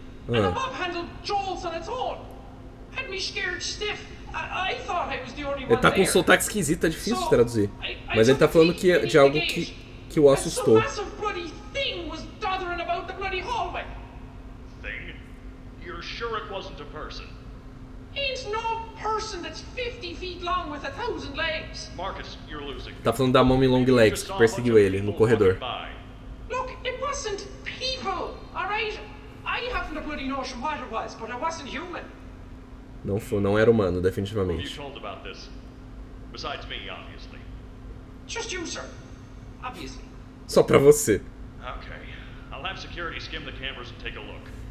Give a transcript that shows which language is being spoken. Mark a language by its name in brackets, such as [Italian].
[English] And the mob handle jolts on its horn. Had me scared stiff. I thought I was the only one. [Portuguese] Ele tá com um sotaque esquisito, tá difícil de traduzir. Mas ele tá falando que de algo que o assustou. [English] And some bloody thing was dothering about the bloody hallway. Thing? You're sure it wasn't a person? It's no person that's 50 feet long with 1,000 legs. Marcus, you're losing. [Portuguese] Tá falando da Mommy Long Legs que perseguiu ele no corredor. [English] Look, it wasn't people, alright? I haven't a bloody notion what it was, but it wasn't human. [Portuguese] Não foi, não era humano, definitivamente. [English] Who told about this? Besides me, obviously. Just you, sir. Obviously. [Portuguese] Só pra você. [English] Okay. I'll have security skim the cameras and take a look.